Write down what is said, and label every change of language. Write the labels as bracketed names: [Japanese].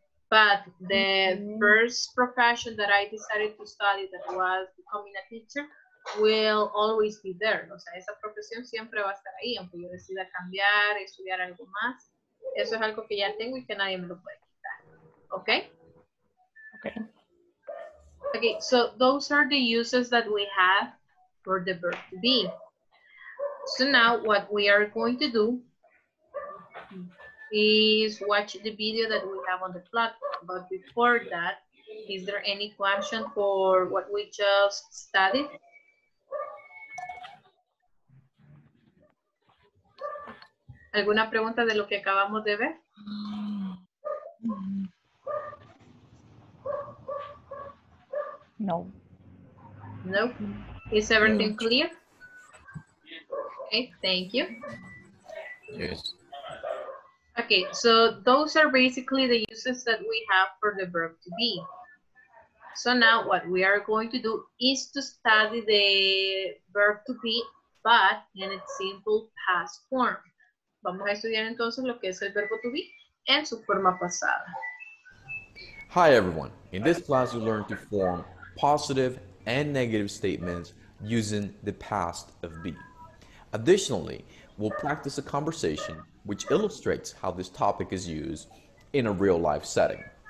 [English] But the first profession that I decided to study that was becoming a teacher will always be there. [Spanish] O sea, esa profesión siempre va a estar ahí, aunque yo decida cambiar, estudiar algo más. Eso es algo que ya tengo y que nadie me lo puede quitar. [English] Okay? Okay. Okay, so those are the uses that we have for the verb to be. So now what we are going to do is watch the video that we have on the platform. But before that, is there any question for what we just studied? [Spanish] ¿Alguna pregunta de lo que acabamos de ver? No. [English] Nope. Is everything clear? Okay, thank you. Yes. Okay, so those are basically the uses that we have for the verb to be. So now what we are going to do is to study the verb to be, but in its simple past form. [Spanish] Vamos a estudiar entonces lo que es el verbo to be en su forma pasada. [English] Hi everyone. In this class you learn to form positive and negative statements using the past of be. Additionally, we'll practice a conversation which illustrates how this topic is used in a real-life setting.